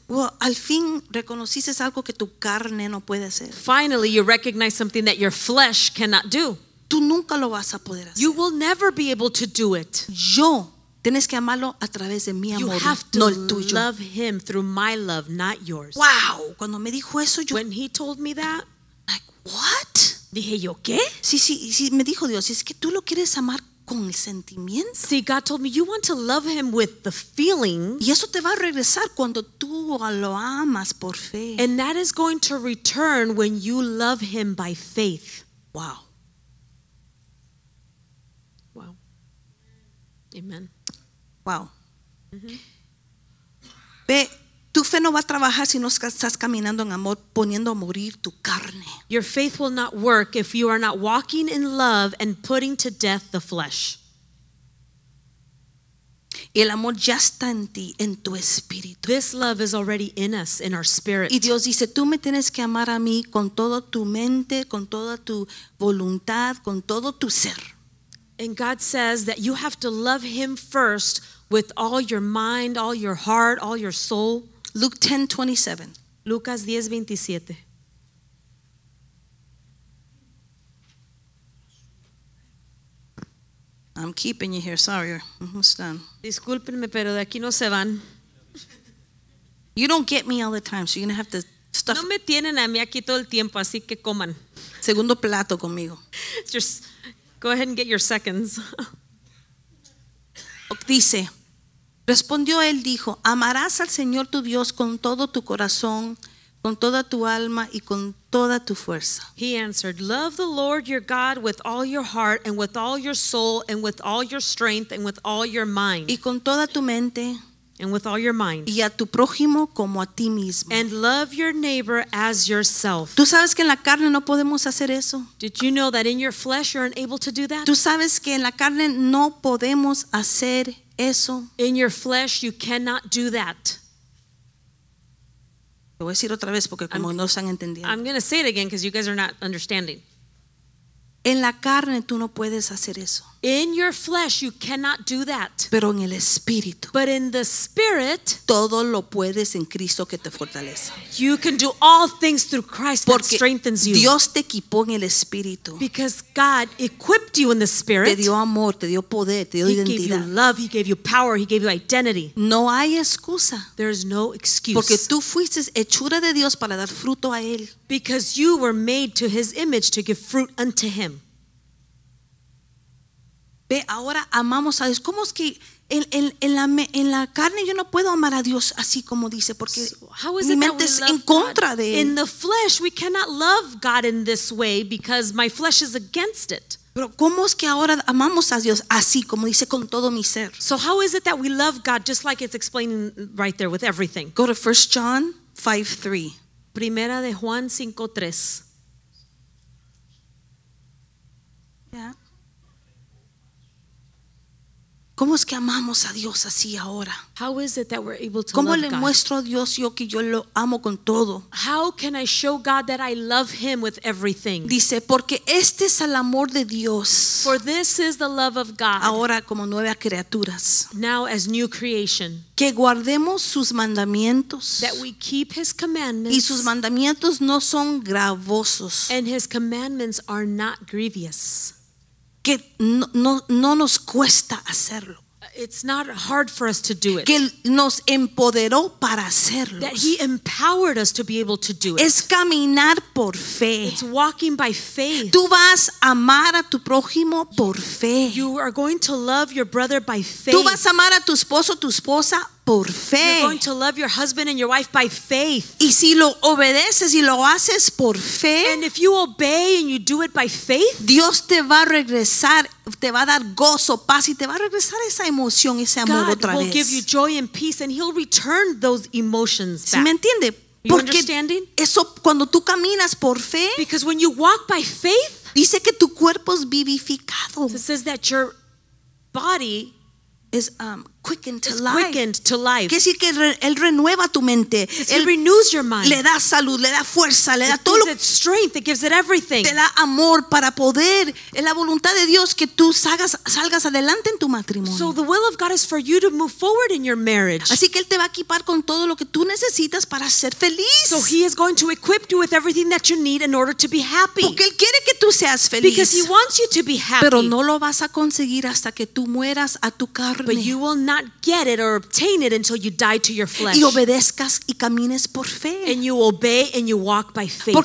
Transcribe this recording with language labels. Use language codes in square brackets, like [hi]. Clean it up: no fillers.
[es] Well, al fin reconociste algo que tu carne no puede hacer. [en] Finally, you recognize something that your flesh cannot do. [es] Tú nunca lo vas a poder hacer. [en] You will never be able to do it. [es] Yo tienes que amarlo a través de mi amor, no el tuyo. [en] You have to love him through my love, not yours. [es] Wow, cuando me dijo eso yo [en] When he told me that, like what? [es] Dije yo, ¿qué? Sí, me dijo Dios, es que tú lo quieres amar con el sentimiento. [en] See, God told me you want to love him with the feeling. [es] Y eso te va a regresar cuando tú lo amas por fe. [en] And that is going to return when you love him by faith. Wow. Amen. Wow. Mm-hmm. [es] Ve, tu fe no va a trabajar si no estás caminando en amor, poniendo a morir tu carne. [en] Your faith will not work if you are not walking in love and putting to death the flesh. [es] El amor ya está en ti, en tu espíritu. [en] This love is already in us, in our spirit. [es] Y Dios dice, tú me tienes que amar a mí con toda tu mente, con toda tu voluntad, con todo tu ser. [en] And God says that you have to love him first with all your mind, all your heart, all your soul. Luke 10:27. [es] Lucas 10:27. [en] I'm keeping you here. Sorry, I'm almost done. [es] Discúlpenme, pero de aquí no se van. [en] You don't get me all the time, so you're going to have to stuff. [es] No me tienen a mí aquí todo el tiempo, así que coman. Segundo plato conmigo. [en] Just go ahead and get your seconds. [es] Dice, respondió él, dijo, amarás al Señor tu Dios con todo tu corazón, con toda tu alma y con toda tu fuerza. [en] He answered, love the Lord your God with all your heart and with all your soul and with all your strength and with all your mind. [es] Y con toda tu mente. [en] And with all your mind. [es] Y a tu prójimo como a ti mismo. [en] And love your neighbor as yourself. [es] ¿Tú sabes que en la carne no podemos hacer eso? [en] Did you know that in your flesh you're unable to do that? [es] ¿Tú sabes que en la carne no podemos hacer eso? [en] In your flesh you cannot do that. [es] Lo voy a decir otra vez porque como no están entendiendo. [en] I'm going to say it again because you guys are not understanding. [es] En la carne tú no puedes hacer eso. [en] In your flesh, you cannot do that. [es] Pero en el espíritu. [en] But in the spirit, [es] todo lo puedes en Cristo que te fortalece. [en] You can do all things through Christ [es] porque [en] that strengthens you. [es] Dios te equipó en el espíritu. [en] Because God equipped you in the spirit. [es] Te dio amor, te dio poder, te dio [en] he [es] identidad. [en] He gave you love. He gave you power. He gave you identity. [es] No hay excusa. [en] There is no excuse. [es] Porque tú fuiste hechura de Dios para dar fruto a él. [en] Because you were made to His image to give fruit unto Him. [es] Ve, ahora amamos a Dios. ¿Cómo es que en la carne yo no puedo amar a Dios así como dice? Porque mi mente es en contra de él. [en] In the flesh, we cannot love God in this way because my flesh is against it. [es] Pero ¿cómo es que ahora amamos a Dios así como dice con todo mi ser? [en] So how is it that we love God just like it's explaining right there with everything? Go to 1 John 5:3. [es] Primera de Juan 5:3. ¿Cómo es que amamos a Dios así ahora? [en] How is it that we're able to [es] ¿cómo [en] love [es] le muestro [en] God? [es] A Dios yo que yo lo amo con todo? [en] How can I show God that I love Him with everything? [es] Dice, porque este es el amor de Dios. [en] For this is the love of God. [es] Ahora como nuevas criaturas. [en] Now as new creation. [es] Que guardemos sus mandamientos. [en] That we keep His commandments. [es] Y sus mandamientos no son gravosos. [en] And His commandments are not grievous. [es] Que no nos cuesta hacerlo. [en] It's not hard for us to do it. [es] Que nos empoderó para hacerlo. [en] That He empowered us to be able to do it. [es] Es caminar por fe. [en] It's walking by faith. [es] Tú vas a amar a tu prójimo por fe. [en] You are going to love your brother by faith. [es] Tú vas a amar a tu esposo, tu esposa por fe. [en] You're going to love your husband and your wife by faith. [es] Y si lo obedeces y lo haces por fe, [en] and if you obey and you do it by faith, [es] Dios te va a regresar, te va a dar gozo, paz y te va a regresar esa emoción, ese amor [en] God [es] otra vez. [en] God will give you joy and peace and He'll return those emotions back. [es] ¿Sí me entiende? Porque eso cuando tú caminas por fe, [en] because when you walk by faith, [es] dice que tu cuerpo es vivificado. [en] It says that your body is quickened to life. Quickened to life. [es] Quiere decir que él renueva tu mente. [en] He renews your mind. [es] Le da salud, le da fuerza, le da todo. [en] It gives it strength. It gives it everything. [es] Te da amor para poder. Es la voluntad de Dios que tú salgas adelante en tu matrimonio. [en] So the will of God is for you to move forward in your marriage. [es] Así que él te va a equipar con todo lo que tú necesitas para ser feliz. [en] So He is going to equip you with everything that you need in order to be happy. [es] Porque él quiere que tú seas feliz. [en] Because He wants you to be happy. [es] Pero no lo vas a conseguir hasta que tú mueras a tu carne. [en] But you will not get it or obtain it until you die to your flesh. [es] Y obedezcas y camines por fe. [en] And you obey and you walk by faith.